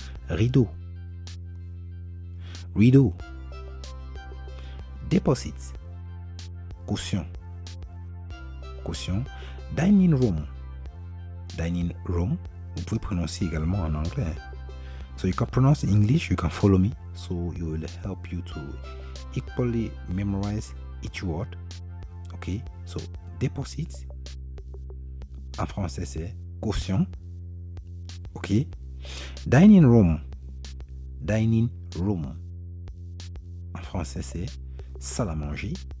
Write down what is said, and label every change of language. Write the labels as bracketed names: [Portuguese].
[French] Rideau. [English] Rideau. Deposit. Caution. Caution. Dining room. Dining room. [French] Vous pouvez prononcer également en anglais. [English] So you can pronounce in English, you can follow me. So it will help you to equally memorize each word. [French] Okay, so deposit en français c'est caution. Okay, dining room. Dining room en français c'est salle à manger.